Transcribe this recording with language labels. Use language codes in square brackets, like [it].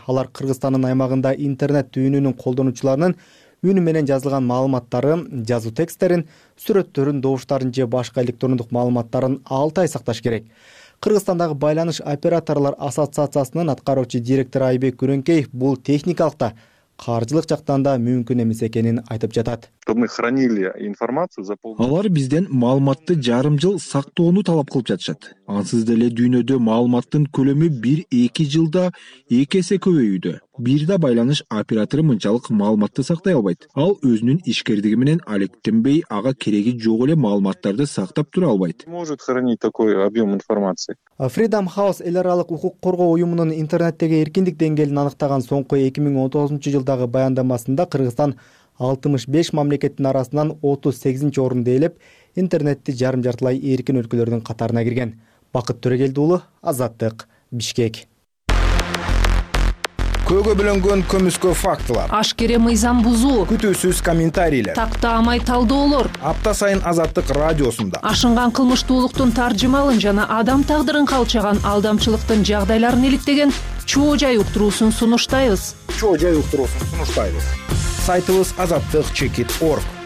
[ky] Алар Кыргызстандын аймагында интернет түйүнүнүн колдонуучуларынын үнү менен жазылган маалыматтарын, жазуу тексттерин, сүрөттөрүн, добуштарын же башка электрондук маалыматтарын 6 ай сакташ керек. Кыргызстандагы байланыш операторлор ассоциациясынын аткаруучу директору Айбек Күрөнкеев бул техникалык да, каржылык жактан да мүмкүн эмес экенин айтып жатат. [ru] Мы хранили информацию за полгода. [ky] Алар бизден маалыматты жарым жыл сактоону талап кылып жатышат. Ансыз деле дүйнөдө маалыматтын көлөмү 1-2 жылда 2 эсе көбөйүүдө. Бир да байланыш оператору мынчалык маалыматты сактай албайт. Ал өзүнүн ишкердиги менен алектенбей, ага кереги жок эле маалыматтарды сактап тура албайт. [ru] Может хранить такой объем информации. [ky] Freedom House эл аралык укук коргоо уюмунун интернеттеги эркиндик деңгээлин аныктаган соңку 2019 жылдагы баяндамасында Кыргызстан 65 мамлекеттин арасынан 38-чи орунду ээлеп, интернетти жарым жартылай эркин өлкөлөрдүн катарына кирген. Бакыт Төрөгелди уулу, Азаттык, Бишкек. Көгө бөлөнгөн көмүскө фактылар. Ашкере мыйзам бузуу. Күтүүсүз комментарийлер. Такта амай талдоолор. Апта сайын Азаттык радиосунда. Ашынган кылмыштуулуктун таржымалын жана адам тагдырын калчаган алдамчылыктын жагдайларын иликтеген чоо жай уктуруусун сунуштайбыз. Чоо жай уктуруусун сунуштайбыз. Сайтыбыз azattik.org.